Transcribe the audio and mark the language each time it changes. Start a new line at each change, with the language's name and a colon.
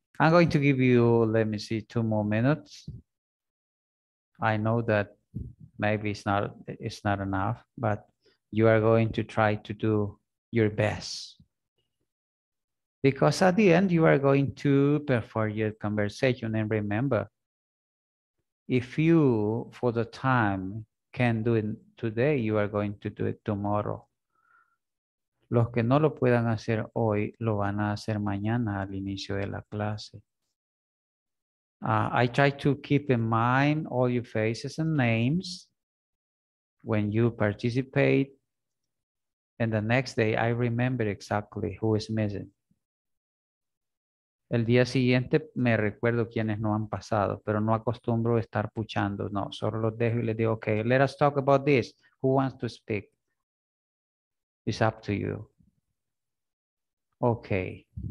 English: I'm going to give you, let me see, 2 more minutes. I know that maybe it's not enough, but you are going to try to do your best. Because at the end, you are going to perform your conversation. And remember, if you, for the time, can do it today, you are going to do it tomorrow.
Spanish: Los que no lo puedan hacer hoy, lo van a hacer mañana al inicio de la clase.
English: I try to keep in mind all your faces and names when you participate. And the next day, I remember exactly who is missing.
Spanish: El día siguiente me recuerdo quienes no han pasado, pero no acostumbro estar puchando, no. Solo los dejo y les digo,
English: okay, let us talk about this. Who wants to speak? It's up to you. Okay.